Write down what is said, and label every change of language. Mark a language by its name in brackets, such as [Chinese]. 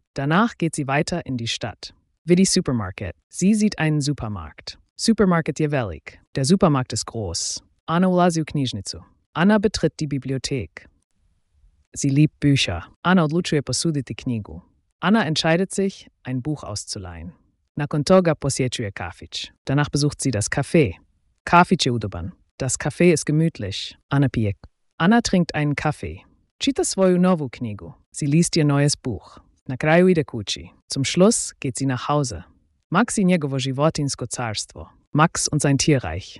[German] Danach geht sie weiter in die Stadt. [Croatian] Vidi supermarket. [German] Sie sieht einen Supermarkt. [Croatian] Supermarket je velik. [German] Der Supermarkt ist groß. [Croatian] Anna ulazi u knjižnicu. [German] Anna betritt die Bibliothek. Sie liebt Bücher. [Croatian] Anna odlučuje posuditi knjigu. [German] Anna entscheidet sich, ein Buch auszuleihen. [Croatian] Nakon toga posjećuje kafić. [German] Danach besucht sie das Café. [Croatian] Kafić je udoban. [German] Das Café ist gemütlich. [Croatian] Anna pije. [German] Anna trinkt einen Kaffee. [Croatian] Čita svoju novu knjigu. [German] Sie liest ihr neues Buch. [Croatian] Na kraju ide kući. [German] Zum Schluss geht sie nach Hause. [Croatian] Max i njegovo životinsko carstvo. [German] Max und sein Tierreich.